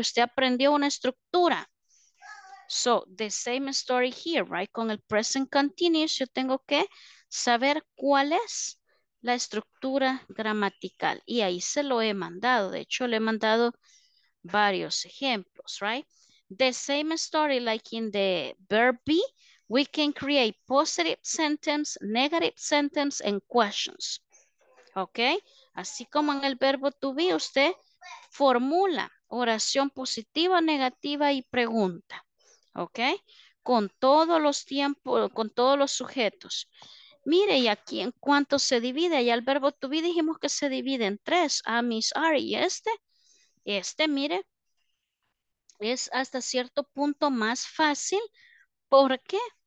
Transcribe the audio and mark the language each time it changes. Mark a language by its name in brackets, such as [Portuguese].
[Spanish] Usted aprendió una estructura. [English] So, the same story here, right? [Spanish] Con el present continuous, yo tengo que saber cuál es la estructura gramatical. Y ahí se lo he mandado. De hecho, le he mandado varios ejemplos, [English] right? The same story, like in the verb be, we can create positive sentence, negative sentence, and questions. [Spanish] ¿Ok? Así como en el verbo to be, usted formula oración positiva, negativa y pregunta. ¿Ok? Con todos los tiempos, con todos los sujetos. Mire, y aquí en cuanto se divide, ya el verbo to be dijimos que se divide en tres, am, is, are, y este, mire, es hasta cierto punto más fácil porque